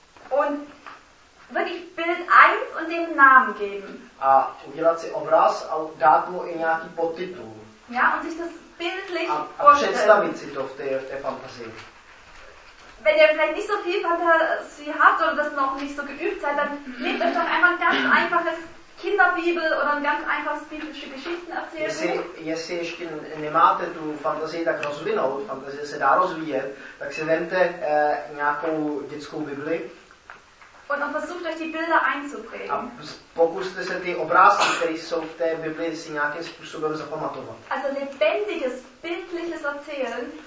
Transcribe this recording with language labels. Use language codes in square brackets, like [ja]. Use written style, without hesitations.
[de] Und wirklich Bild 1 und den Namen geben. [cs] A udělat si obraz a dát mu i nějaký podtitul. [de] Ja, und sich das bildlich vorstellen. [cs] A představit si to v té fantazii. [de] Wenn ihr vielleicht nicht so viel Fantasie habt oder das noch nicht so geübt seid, dann nehmt euch doch einmal ein ganz einfaches Kinderbibel und dann ganz einfach biblische Geschichten erzählen. [cs] Jestli ještě nemáte tu fantazii tak rozvinout, fantazie se dá rozvíjet, tak si vemte nějakou dětskou Bibli. [de] Und dann versucht euch die Bilder einzuprägen. [cs] A pokuste se ty obrázky, které jsou v té Bibli, si nějakým způsobem zapamatovat. [de] Also lebendiges, bildliches Erzählen.